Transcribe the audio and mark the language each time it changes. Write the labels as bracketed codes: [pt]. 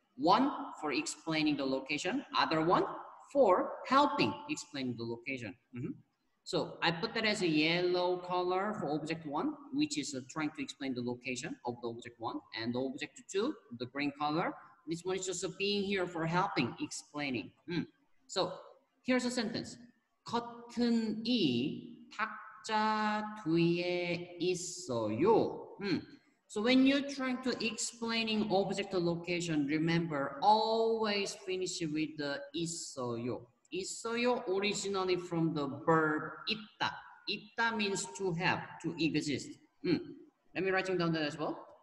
[en] One for explaining the location, other one for helping explain the location. Mm-hmm. So I put that as a yellow color for object one, which is trying to explain the location of the object one, and the object two, the green color. This one is just being here for helping explaining. Mm. So here's a sentence. [ko] 커튼이 탁자 뒤에 있어요. [en] So when you're trying to explaining object location, remember always finish with the 있어요. 있어요 originally from the verb 있다. 있다 means to have, to exist. Let me write it down there as well.